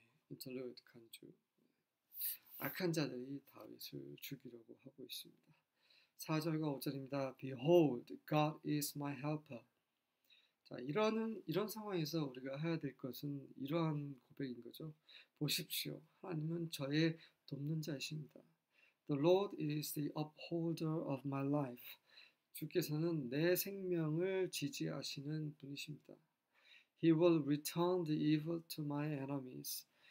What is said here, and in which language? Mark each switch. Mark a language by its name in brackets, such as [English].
[Korean] 인터루드 간주. 악한 자들이 다윗을 죽이려고 하고 있습니다. 4절과 5절입니다. [English] Behold, God is my helper. [Korean] 자, 이런 상황에서 우리가 해야 될 것은 이러한 고백인 거죠. 보십시오. 하나님은 저의 돕는 자이십니다. [English] The Lord is the upholder of my life. [Korean] 주께서는 내 생명을 지지하시는 분이십니다. [English] He will return the evil to my enemies.